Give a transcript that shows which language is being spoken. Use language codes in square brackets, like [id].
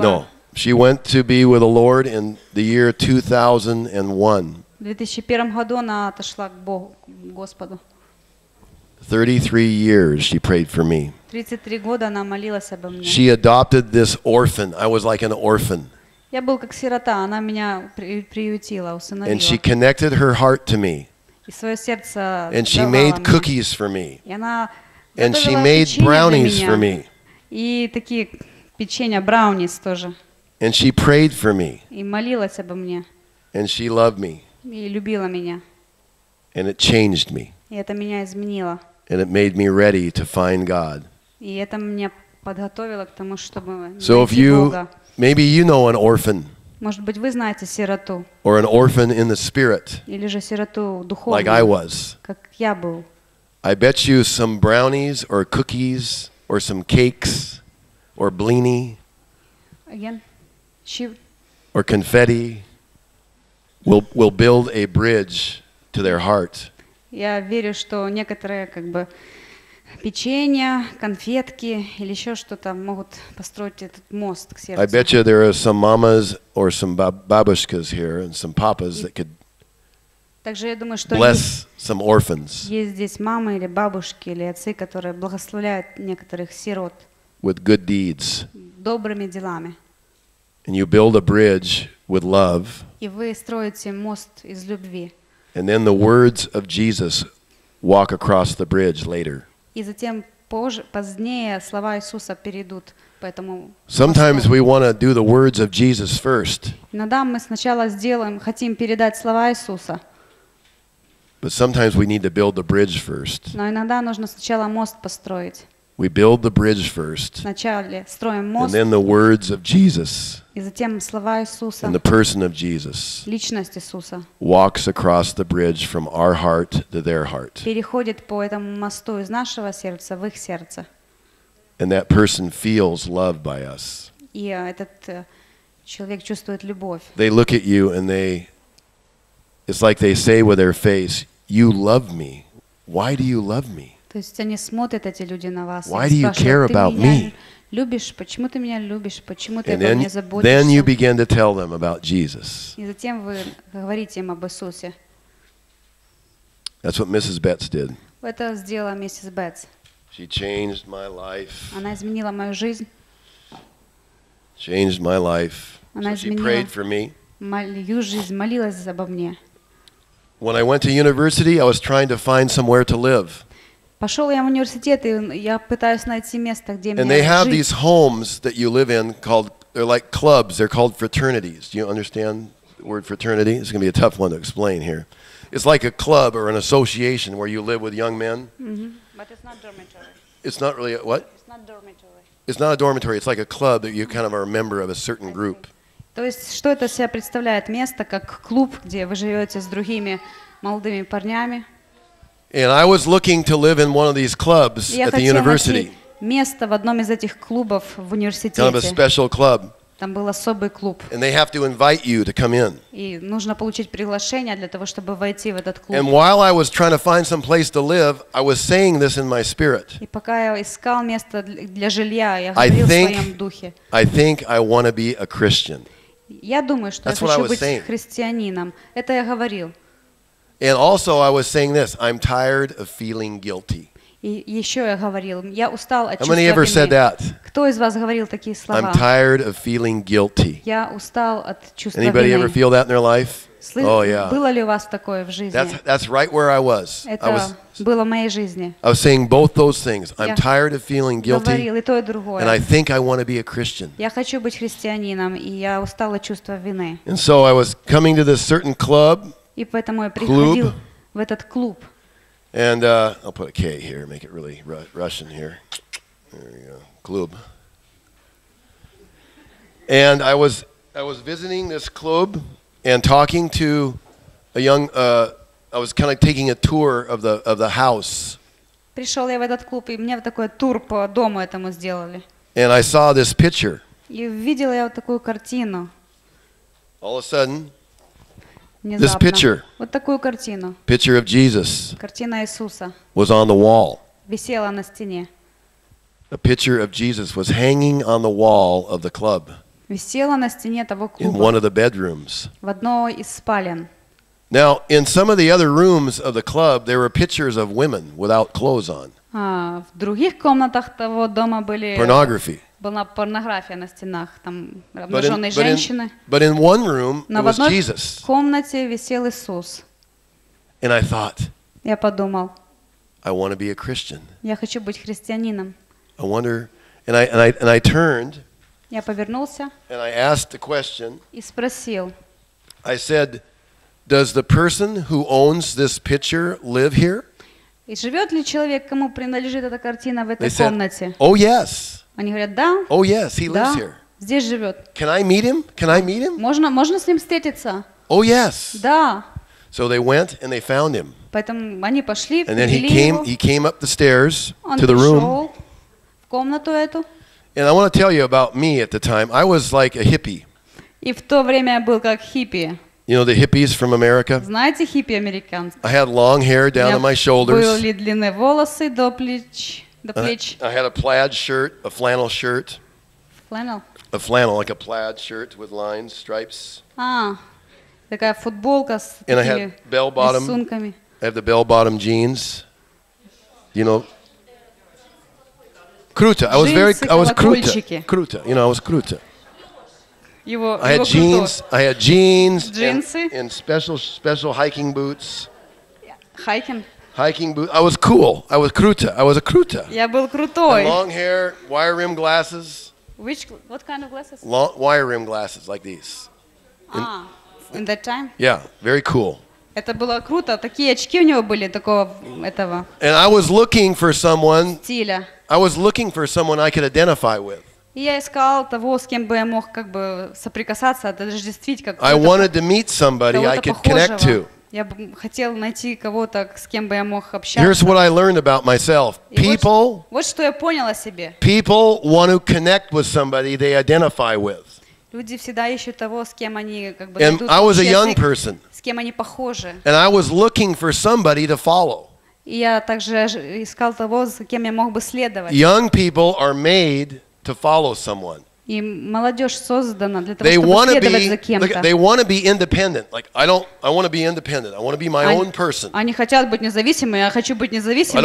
[en] No, she went to be with the Lord in the year 2001. [ru] В 2001 году она отошла к Богу, к Господу. [en] 33 years she prayed for me. [ru] 33 года она молилась обо мне. [en] She adopted this orphan. I was like an orphan. [ru] Я был как сирота, она меня приютила, усыновила. [en] And she connected her heart to me. [ru] И своё сердце дала мне. [en] And she made cookies for me. [ru] И она готовила печенье для меня. [en] And she made brownies for me. [ru] И такие печенья, браунис тоже. [en] And she prayed for me. [ru] И молилась обо мне. [en] And she loved me. [ru] И любила меня. [en] And it changed me. [ru] И это меня изменило. [en] And it made me ready to find God. [ru] И это меня подготовило к тому, чтобы найти Бога. [en] Maybe you know an orphan. [ru] Может быть, вы знаете сироту. [en] Or an orphan in the spirit. [ru] Или же сироту духовную. [en] Like I was. Как я был. I bet you some brownies or cookies or some cakes or blini. Again. She. Or confetti. Will build a bridge to their heart. [ru] Я верю, что некоторые как бы печенья, конфетки или ещё что-то могут построить этот мост к сердцу. [en] I bet you there are some mamas or some babushkas here and some papas that could. [ru] Также я думаю, что есть [en] some orphans. [ru] Есть здесь мамы или бабушки или отцы, которые благословляют некоторых сирот. [en] With good deeds. [ru] Добрыми делами. [en] And you build a bridge with love. [ru] И вы строите мост из любви. [en] And then the words of Jesus walk across the bridge later. [ru] И затем позднее слова Иисуса перейдут по этому мосту. [en] Sometimes we want to do the words of Jesus first. [ru] Иногда мы сначала сделаем, хотим передать слова Иисуса. [en] But sometimes we need to build the bridge first. [ru] Но иногда нужно сначала мост построить. [en] We build the bridge first. [ru] Вначале строим мост. [en] And then the words of Jesus. [ru] И затем слова Иисуса. [en] And the person of Jesus. [ru] Личность Иисуса. [en] Walks across the bridge from our heart to their heart. [ru] Переходит по этому мосту из нашего сердца в их сердце. [en] And that person feels loved by us. [ru] И этот человек чувствует любовь. [en] They look at you and it's like they say with their face, "You love me. Why do you love me?" [ru] То есть они смотрят эти люди на вас. [en] Why do you care about me? [ru] Любишь, почему ты меня любишь, почему ты обо мне заботишься? [en] And then you begin to tell them about Jesus. [ru] И затем вы говорите им об Иисусе. [en] That's what Mrs. Betts did. [ru] Это сделала миссис Бетс. [en] She changed my life. [ru] Она изменила мою жизнь. [en] Changed my life. [ru] Она [en] she prayed for me. [ru] Мою жизнь, молилась обо мне. [en] When I went to university, I was trying to find somewhere to live. [ru] Пошел я в университет, и я пытаюсь найти место, где мне жить. [en] And they have these homes that you live in called, they're like clubs, they're called fraternities. Do you understand the word fraternity? It's going to be a tough one to explain here. It's like a club or an association where you live with young men. Mm-hmm. But it's not dormitory. It's not really a, what? It's not dormitory. It's not a dormitory, it's like a club that you kind of are a member of a certain group. [ru] То есть, что это себя представляет? Место, как клуб, где вы живете с другими молодыми парнями. [en] And I was looking to live in one of these clubs at the university. [ru] Место в одном из этих клубов в университете. [en] Kind of a special club. [ru] Там был особый клуб. [en] And they have to invite you to come in. [ru] И нужно получить приглашение для того, чтобы войти в этот клуб. [en] And while I was trying to find some place to live, I was saying this in my spirit. [ru] И пока я искал место для жилья, я говорил в своем духе. [en] I think I want to be a Christian. [ru] Я думаю, что я хочу быть христианином. Это я говорил. [en] And also I was saying this, I'm tired of feeling guilty. [ru] И еще я говорил, я устал от чувства вины. [en] How many ever said that? [ru] Кто из вас говорил такие слова? [en] I'm tired of feeling guilty. [ru] Я устал от чувства вины. [en] Anybody ever feel that in their life? Oh yeah. [ru] Было ли у вас такое в жизни? [en] That's right where I was. [ru] Это было в моей жизни. [en] I was saying both those things. I'm tired of feeling guilty. [ru] Говорил и то, и другое. [en] And I think I want to be a Christian. [ru] Я хочу быть христианином, и я устал от чувства вины. [en] And so I was coming to this certain club. [ru] И поэтому я приходил в этот клуб. [en] And I'll put a K here, make it really Russian here. There you go, club. And I was visiting this club and talking to a young. I was kind of taking a tour of the house. [ru] Пришел я в этот клуб, и мне вот такой тур по дому этому сделали. [en] And I saw this picture. [ru] И видел я вот такую картину. [en] All of a sudden. [ru] Внезапно. [en] This picture, [ru] вот такую картину, [en] picture of Jesus, [ru] картина Иисуса, [en] was on the wall. [ru] Висела на стене. [en] A picture of Jesus was hanging on the wall of the club. [ru] Висела на стене того клуба. [en] In one of the bedrooms. [ru] В одной из спален. [en] Now, in some of the other rooms of the club, there were pictures of women without clothes on. [ru] А в других комнатах того дома были. [en] Pornography. [ru] Была порнография на стенах, там обнаженные женщины. [en] But in one room, it was Jesus. [ru] В одной комнате висел Иисус. [en] And I thought. [ru] Я подумал. [en] I want to be a Christian. [ru] Я хочу быть христианином. [en] I wonder, and I turned. [ru] Я повернулся. [en] And I asked the question. [ru] И спросил. [en] I said, "Does the person who owns this picture live here?" [ru] И живет ли человек, кому принадлежит эта картина в этой [en] They [ru] комнате? [en] Said, oh yes. [ru] Они говорят, да. [en] Oh yes, he lives [ru] да, [en] here. [ru] Здесь живет. [en] Can I meet him? Can I meet him? [ru] Можно с ним встретиться? [en] Oh yes. [ru] Да. [en] So they went and they found him. [ru] Поэтому они пошли, [en] and then he came up the stairs [ru] он [en] to the room. [ru] Он пошел в комнату эту. [en] And I want to tell you about me at the time. I was like a hippie. [ru] И в то время я был как хиппи. [en] You know the hippies from America? [ru] Знаете хиппи американцев? [en] I had long hair down to my shoulders. [ru] У меня были длинные волосы до плеч. [en] I had a plaid shirt, a flannel shirt. Flannel. A flannel, like a plaid shirt with lines, stripes. [ru] Ah, такая футболка с рисунками. [en] And I had bell-bottom. I have the bell-bottom jeans. You know, круто. I was круто. You know, I was круто. [ru] его [en] I had jeans, [ru] крутого. [en] I had jeans. [ru] Джинсы. [en] And special hiking boots. Hiking. Hiking boots. I was cool. I was круто. I was a круто. [ru] Я был крутой. [en] And long hair, wire rim glasses. Which what kind of glasses? Long wire rim glasses like these. In that time? Yeah, very cool. [ru] Это было круто. Такие очки у него были такого этого. [en] And I was looking for someone. [ru] Стиля. [en] I was looking for someone I could identify with. [ru] Я искал того, с кем бы я мог как бы соприкасаться, отождествить как-то. [en] I wanted to meet somebody I could connect to. [ru] Я бы хотел найти кого-то, с кем бы я мог общаться. [en] Here's what I learned about myself. People. [ru] Вот что я понял о себе. [en] People want to connect with somebody they identify with. [ru] Люди всегда ищут того, с кем они как бы. [en] And I was a young person. [ru] С кем они похожи. [en] And I was looking for somebody to follow. [ru] И я также искал того, с кем я мог бы следовать. [en] Young people are made to follow someone. [ru] И молодежь создана для того, чтобы следовать за кем-то. [en] They want to be independent. Like I want to be independent. I want to be my own person. [ru] Они хотят быть независимыми. Я хочу быть независимым.